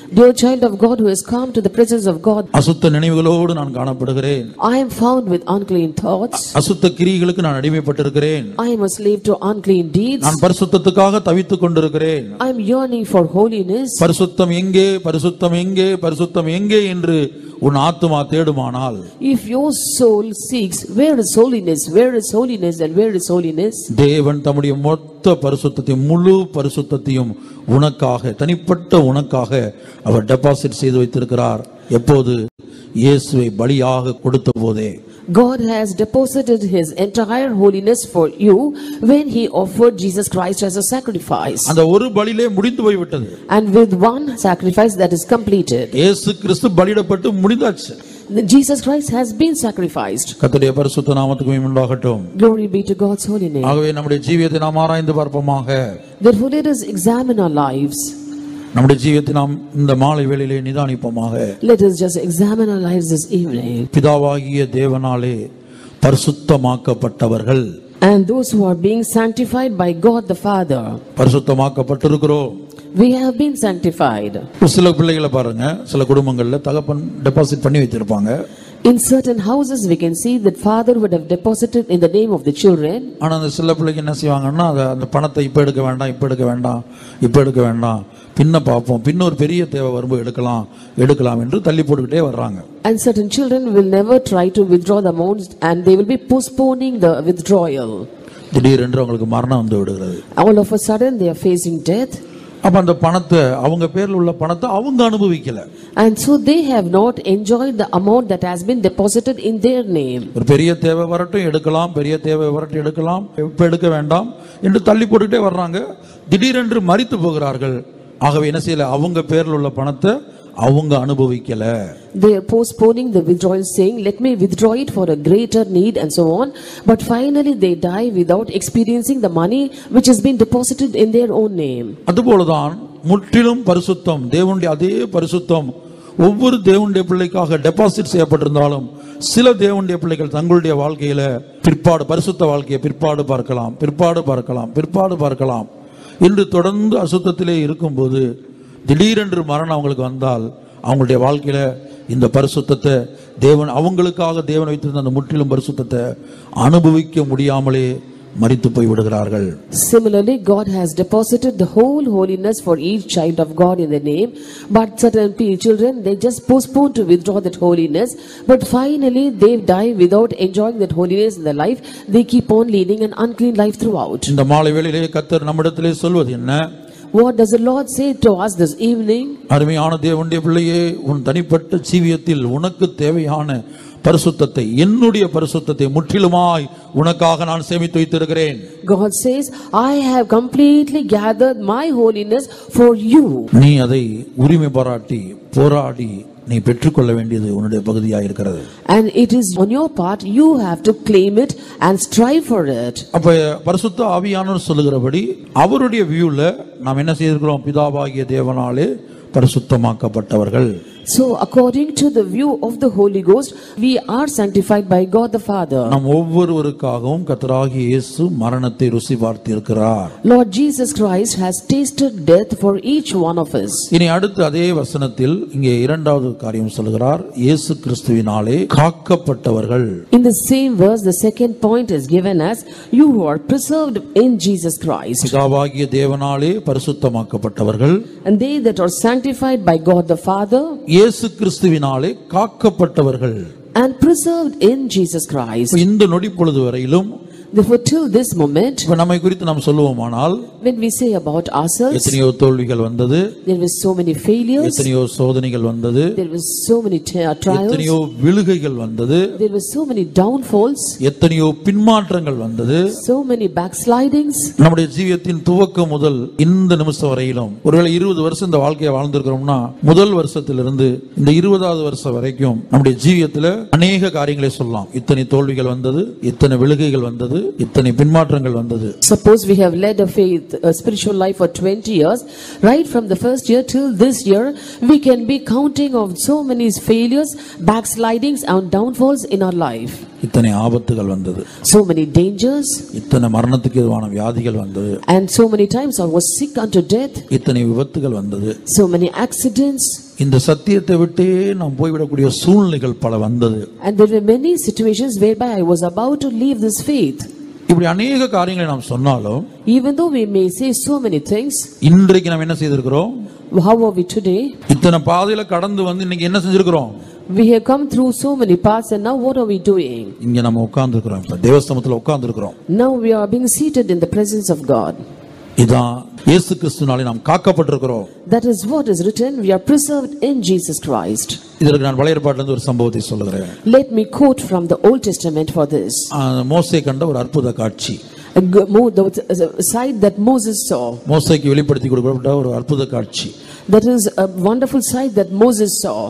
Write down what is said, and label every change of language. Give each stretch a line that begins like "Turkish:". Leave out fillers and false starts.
English: dear child of god who has come to the presence of god
Tamil: அசுத்த நினைவுகளோடு நான் காணப்படுகிறேன்
English: i am found with unclean thoughts
Tamil: அசுத்த கிரியைகளுக்கு நான் அடிமைப்பட்டிருக்கிறேன்
English: i am a slave to unclean deeds
Tamil: நான் பரிசுத்தத்துக்காக தவித்துக் கொண்டிருக்கிறேன்
English: i am yearning for holiness
Tamil: பரிசுத்தம் எங்கே பரிசுத்தம் எங்கே பரிசுத்தம் எங்கே என்று உன் ஆத்மா தேடுமானால்
English: if your soul seeks where is holiness and where is holiness
Tamil: தேவன் தம்முடைய மொத்த பரிசுத்தத்தையும் முழு பரிசுத்தத்தையும் உனக்காக தனிப்பட்ட உனக்காக அவர் டெபாசிட் செய்து வைத்திருக்கிறார் எப்போது இயேசுவை பலியாக கொடுத்தபோதே
English: God has deposited his entire holiness for you when he offered Jesus Christ as a sacrifice.
Tamil: அந்த ஒரு பலியிலே முடிந்து போய் விட்டது.
English: And with one sacrifice that is completed.
Tamil: இயேசு கிறிஸ்து பலியிடப்பட்டு முடிந்தாச்சு.
English: Jesus Christ has been sacrificed.
Tamil: கர்த்தருடைய பரிசுத்த நாமத்துக்கு மகிமை உண்டாகட்டும்.
English: Glory be to God's holy name.
Tamil: ஆகவே நம்முடைய ஜீவியத்தை நாம் ஆராய்ந்து பார்ப்போமாக.
English: Therefore let us examine our lives.
Tamil: நம்முடைய ஜீவியத்தை நாம் இந்த மாலை வேளையிலே நிதானிப்போமாக
English: let us just examine our lives this evening
Tamil: பிதாவாகிய தேவனாலே பரிசுத்தமாக்கப்பட்டவர்கள்
English: and those who are being sanctified by god the father
Tamil: பரிசுத்தமாக்கப்பட்டிருக்கிறோம்
English: we have been sanctified
Tamil: சில பிள்ளைகளை பாருங்க சில குடும்பங்கள்ல தகப்பன் டெபாசிட் பண்ணி வச்சிருப்பாங்க
English: in certain houses we can see that father would have deposited in the name of the children
Tamil: ஆனா அந்த சில பிள்ளைங்க என்ன செய்வாங்கன்னா அந்த பணத்தை இப்ப எடுக்க வேண்டாம் பின்ன பாப்போம் பின்ன ஒரு பெரிய தேவை வரும் எடுக்கலாம் என்று தள்ளி போட்டுட்டே வர்றாங்க
English: and certain children will never try to withdraw the amounts and they will be postponing the withdrawal
Tamil: திடீர் என்று அவங்களுக்கு மரணம் வந்து விடுகிறது
English: all of a sudden they are facing death
Tamil: அப்ப அந்த பணத்தை அவங்க பேர்ல உள்ள பணத்தை அவங்க அனுபவிக்கல
English: and so they have not enjoyed the amount that has been deposited in their name
Tamil: ஒரு பெரிய தேவை வரட்டும் எடுக்கலாம் பெரிய தேவை வரட்டும் எடுக்கலாம் இப்ப எடுக்க வேண்டாம் என்று தள்ளி போட்டுட்டே வர்றாங்க திடீர் என்று மரித்து போகிறார்கள் ஆகவே என்ன செய்யல அவங்க பேர்ல உள்ள பணத்தை அவங்க அனுபவிக்கல
English: they are postponing the withdrawal saying let me withdraw it for a greater need and so on but finally they die without experiencing the money which has been deposited in their own name
Tamil: அதுபோலதான் முற்றிலும் பரிசுத்தம் தேவனுடைய அதே பரிசுத்தம் ஒவ்வொரு தேவனுடைய பிள்ளைக்காக deposit செய்யப்பட்டிருந்தாலும் சில தேவனுடைய பிள்ளைகள் தங்களுடைய வாழ்க்கையில பிற்பாடு பரிசுத்த வாழ்க்கையை பிற்பாடு பார்க்கலாம் இன்று தொடர்ந்து அசுத்தத்திலே இருக்கும்போது திடீரென்று மரணம் அவங்களுக்கு வந்தால் அவங்களுடைய வாழ்க்கையில இந்த பரிசுத்தத்தை தேவன் அவங்களுக்காக தேவன் வைத்திருந்த அந்த முற்றிலும் பரிசுத்தத்தை அனுபவிக்க முடியாமலே மரித்து போய் விடுகிறார்கள்
English: similarly god has deposited the whole holiness for each child of god in the name but certain children they just postpone to withdraw that holiness but finally they die without enjoying that holiness in their life they keep on leading an unclean life throughout
Tamil: இந்த மாலை வேளையிலே கர்த்தர் நம்மிடத்திலே சொல்வது என்ன
English: what does the lord say to us this evening
Tamil: அருமையான தேவனுடைய பிள்ளையே உன் தனிப்பட்ட ஜீவியத்தில் உனக்கு தேவையான பரிசுத்தத்தை என்னுடைய பரிசுத்தத்தை முற்றிலுமாய் உனக்காக நான் சேமித்து வைத்திருக்கிறேன்
English: god says i have completely gathered my holiness for you
Tamil: நீ அதை உரிமை பாராட்டி போராடி நீ பெற்றுக்கொள்ள வேண்டியது உன்னுடைய பகுதியாக இருக்கிறது.
English: And it is on your part, you have to claim it and strive for it.
Tamil: அப்ப பரிசுத்த ஆவியானவர் சொல்லுகிறபடி அவருடைய வியூல நாம் என்ன செய்கிறோம்? பிதாவாகிய தேவனாலே பரிசுத்தமாக்கப்பட்டவர்கள்.
English: So according to the view of the Holy Ghost, we are sanctified by God the Father.
Tamil: நாம் ஒவ்வொருவருக்காகவும் கர்த்தராகிய இயேசு மரணத்தை ருசி பார்த்திருக்கிறார்.
English: Lord Jesus Christ has tasted death for each one of us.
Tamil: இனி அடுத்து அதே வசனத்தில் இங்கே இரண்டாவது காரியம் சொல்கிறார், இயேசு கிறிஸ்துவினாலே காக்கப்பட்டவர்கள்.
English: In the same verse, the second point is given as, you who are preserved in Jesus Christ.
Tamil: பிதாவாகிய தேவனாலே பரிசுத்தமாக்கப்பட்டவர்கள்.
English: And they that are sanctified by God the Father.
Tamil: இயேசு கிறிஸ்துவினாலே காக்கப்பட்டவர்கள்.
English: And preserved in Jesus Christ.
Tamil: இந்த நொடிப்பொழுது வரையிலும்
English: Until this moment, when we
Tamil: குறித்து நாம் சொல்லுவோமானால்,
English: when we say about ourselves,
Tamil: எத்தனையோ தோல்விகள் வந்தது,
English: there was so many failures,
Tamil: எத்தனையோ சோதனைகள் வந்தது,
English: there was so many trials,
Tamil: எத்தனையோ விழுகைகள் வந்தது,
English: there was so many downfalls,
Tamil: எத்தனையோ பின்மாற்றங்கள் வந்தது,
English: so many backslidings.
Tamil: நம்முடைய ஜீவியத்தின் துவக்கம் முதல் இந்த நிமிஷம் வரையிலும் ஒருவேளை 20 வருஷம் இந்த வாழ்க்கையை வாழ்ந்திருக்கிறோம்னா, முதல் வருஷத்திலிருந்து இந்த 20வது வருஷம் வரைக்கும் நம்முடைய ஜீவியத்துல அநேக காரியங்களை சொல்லலாம். இத்தனை தோல்விகள் வந்தது, இத்தனை விழுகைகள் வந்தது, இத்தனை பின்மாற்றங்கள் வந்தது.
English: Suppose we have led a faith, a spiritual life for 20 years, right from the first year till this year, we can be counting of so many failures, backslidings and downfalls in our life.
Tamil: இத்தனை ஆபத்துகள் வந்தது,
English: so many dangers,
Tamil: இத்தனை மரணத்துக்கு எதுவான வியாதிகள் வந்தது,
English: and so many times I was sick unto death,
Tamil: இத்தனை விபத்துகள் வந்தது,
English: so many accidents.
Tamil: இந்த சத்தியத்தை விட்டே நாம் போய்விடக்கூடிய சூழ்நிலைகள் பல வந்தது.
English: And there were many situations whereby I was about to leave this faith.
Tamil: இப்படி அநேக காரியங்களை நாம் சொன்னாலும்,
English: even though we may say so many things,
Tamil: இன்றைக்கு நாம் என்ன செய்திருக்கிறோம்?
English: How are we today?
Tamil: இத்தனை பாதையில கடந்து வந்து இன்னைக்கு என்ன செஞ்சிருக்கிறோம்?
English: We have come through so many paths and now what are we doing?
Tamil: இங்க நாம் உட்கார்ந்திருக்கிறோம், இப்ப தேவஸ்தானத்துல உட்கார்ந்திருக்கிறோம்.
English: Now we are being seated in the presence of God.
Tamil: இதான் இயேசு கிறிஸ்துவினாலே நாம் காக்கப்பட்டிருக்கிறோம்.
English: That is what is written, we are preserved in Jesus Christ.
Tamil: இதற்கு நான் வலையறுபாட்டிலிருந்து ஒரு சம்பவத்தை சொல்கிறேன்.
English: Let me quote from the Old Testament for this.
Tamil: மோசே கண்ட ஒரு அற்புத காட்சி.
English: The sight that Moses saw.
Tamil: மோசேக்கு வெளிப்படுத்தி கொடுக்கப்பட்ட ஒரு அற்புத காட்சி.
English: That is a wonderful sight that Moses saw.